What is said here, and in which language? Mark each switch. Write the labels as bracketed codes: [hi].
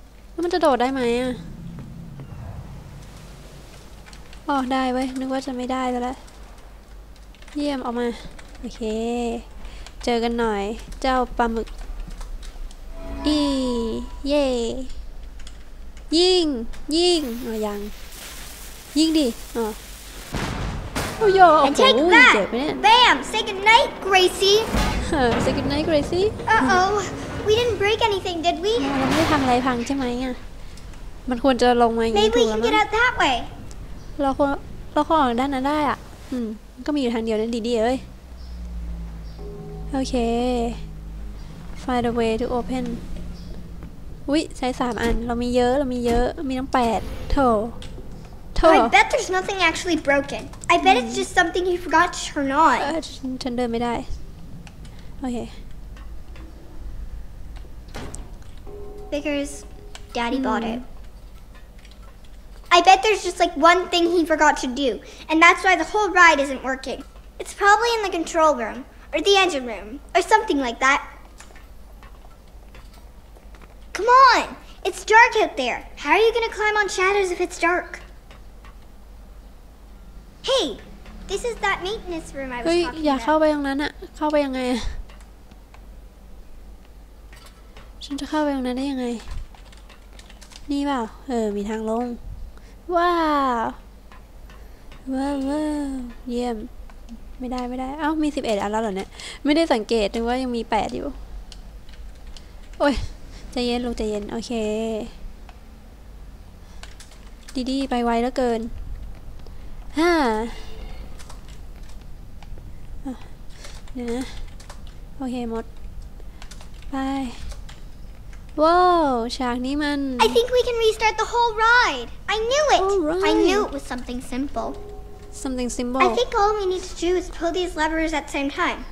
[th] แล้วมันจะโดดได้ไหมอ่ะอ๋อได้ไว้นึกว่าจะไม่ได้แล้วแหละเยี่ยมออกมาโอเคเจอกันหน่อยเจ้าปลาหมึกอีเย่ยิงยิงอ๋อยังยิงดิอ๋อโอ้ยโอ้โหเจ็บไ ปเนี่ย [en] Bam say good night Gracie say good night Gracie Uh-oh we didn't break anything did we [th] เราไม่พังอะไรพังใช่ไหมอ่ะมันควรจะลงมาอย่าง นี้ถูกแล้วมั้ง [en] Maybe we can get out that way [th] เราควรออกด้านนั้นได้อ่ะก็มีอยู่ทางเดียวนั่นดีๆเอ้ยโอเค [en] find a way to open [th] วิใช้3อันเรามีเยอะมีน้ำ8โถ ธอ [en] I bet there's nothing actually broken. I bet it's just something you forgot to turn on. [th] ฉันเดินไม่ได้โอเค [en] Because Daddy bought it. I bet there's just like one thing he forgot to do, and that's why the whole ride isn't working. It's probably in the control room, or the engine room, or something like that. Come on! It's dark out there. How are you gonna climb on shadows if it's dark? Hey, this is that maintenance room I was talking about. [th] อย่าเข้าไปตรงนั้นอะ เข้าไปยังไง อะ ฉันจะเข้าไปตรงนั้นได้ยังไง นี่เปล่า เออ มีทางลงว้าวว้าวเยี่ยมไม่ได้ไม่ได้เอ้ามี11อันแล้วเหรอเนี่ยไม่ได้สังเกตนึกว่ายังมี8อยู่ โอ้ยใจเย็นลูกใจเย็นโอเคดีๆไปไวแล้วเกินฮ่าเนี่ยนะโอเคหมดไป [en] Whoa, [th] ฉากนี้มัน [en] I think we can restart the whole ride. I knew it. Right. I knew it was something simple. Something simple. I think all we need to do is pull these levers at the same time.